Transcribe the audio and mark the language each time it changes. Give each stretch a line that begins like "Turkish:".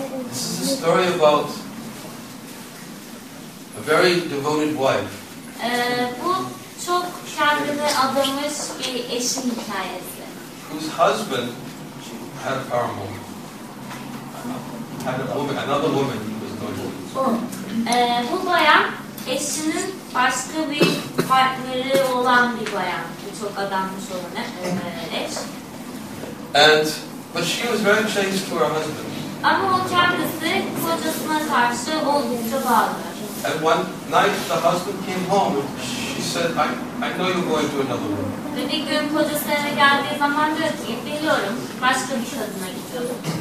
English: This is a story about a very devoted wife.
Turkish: Bu çok kendine adamış bir eşin hikayesi.
English: Whose husband had a paramour. Had a woman, another woman he was going to.
Turkish: Bu bayan eşinin başka bir partneri olan bir bayan. Bu çok adammış olan eş.
English: And but she was very changed to her husband.
Turkish: Ama o kendisi kocasına karşı oldukça bağlı.
English: And one night the husband came home and she said, I know you're going to another woman.
Turkish: Ve bir gün kocası eve geldiği zaman diyor ki, biliyorum başka bir kadına gidiyorum.